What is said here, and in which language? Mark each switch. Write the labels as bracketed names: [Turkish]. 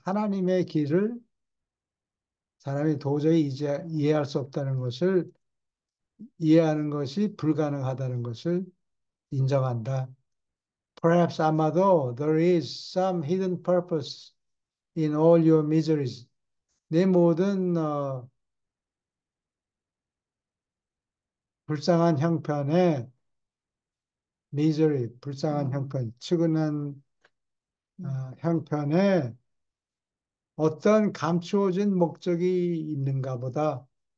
[Korean] 하나님의 길을 사람이 도저히 이해할 수 없다는 것을, 이해하는 것이 불가능하다는 것을 인정한다. [English] Perhaps [Korean] 아마도 [English] there is some hidden purpose in all your miseries. [Korean] 내 모든 불쌍한 형편에 misery, 불쌍한 형편, 측은한 형편에 어떤 감추어진 목적이 있는가 보다.